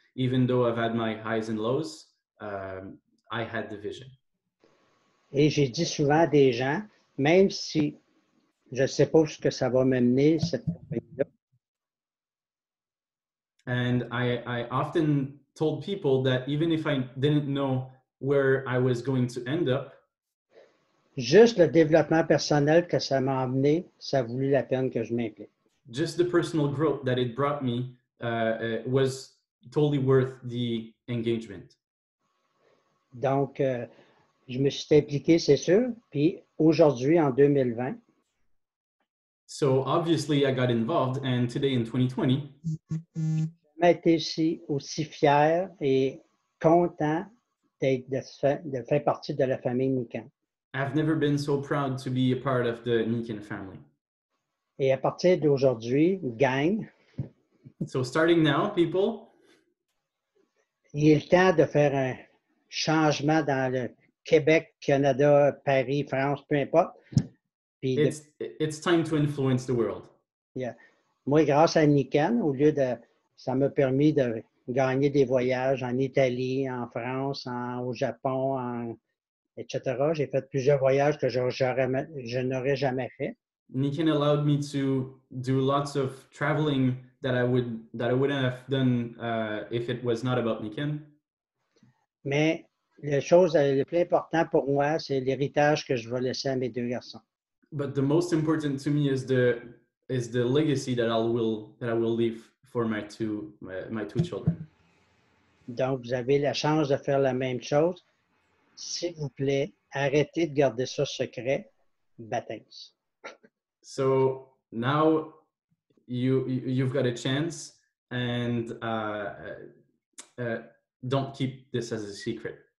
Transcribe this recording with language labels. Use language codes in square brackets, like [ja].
[en] Even though I've had my highs and lows, I had the vision. [fr] Et j'ai dit souvent à des gens, même si je sais pas ce que ça va m'amener, cette compagnie-là. [en] And I often told people that even if I didn't know where I was going to end up, [fr] juste le développement personnel que ça m'a amené, ça a voulu la peine que je m'implique. [en] Just the personal growth that it brought me was totally worth the engagement. [fr] Donc, je me suis impliqué, c'est sûr. Puis aujourd'hui, en 2020. [en] So, obviously, I got involved. And today, in 2020. [fr] Je n'ai jamais été aussi fier et content de faire partie de la famille Nikan. [en] I've never been so proud to be a part of the Nikan family. [fr] Et à partir d'aujourd'hui, gang. [en] So starting now, people. [fr] Il est le temps de faire un changement dans le Québec, Canada, Paris, France, peu importe. Puis [en] it's time to influence the world. Yeah. [fr] Moi, grâce à Nikan, au lieu de, ça m'a permis de gagner des voyages en Italie, en France, au Japon, etc. J'ai fait plusieurs voyages que je n'aurais jamais fait. [en] Nikan allowed me to do lots of traveling that I wouldn't have done if it was not about Nikan. [fr] Mais la chose la plus importante pour moi, c'est l'héritage que je vais laisser à mes deux garçons. [en] But the most important to me is the legacy that I will leave for my two children. [fr] Donc vous avez la chance de faire la même chose. S'il vous plaît, arrêtez de garder ça secret. Baptême. [en] So now you've got a chance, and don't keep this as a secret.